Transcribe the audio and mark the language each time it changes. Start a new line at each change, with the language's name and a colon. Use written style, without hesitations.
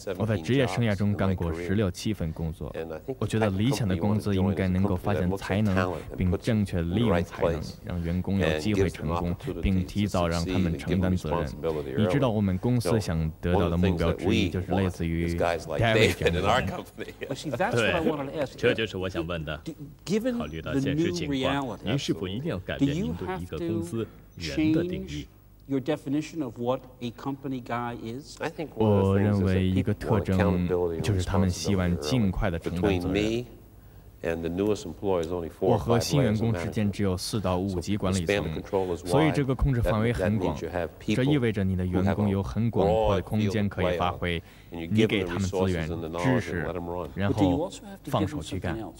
Chinese: 我在职业生涯中干过十六七份工作，我觉得理想的工资应该能够发展才能并正确利用才能，让员工有机会成功并提早让他们承担责任。你知道我们公司想得到的目标之一就是类似于 David 这样的人。对，这就是我想问的。考虑到现实情况，您是否一定要改变您对一个公司人的定义？
English: Your definition of what a company guy is?
Chinese: 我认为一个特征就是他们希望尽快的承担责任。我和新员工之间只有四到五级管理层，所以这个控制范围很广。这意味着你的员工有很广阔的空间可以发挥，你给他们资源、知识，然后放手去干。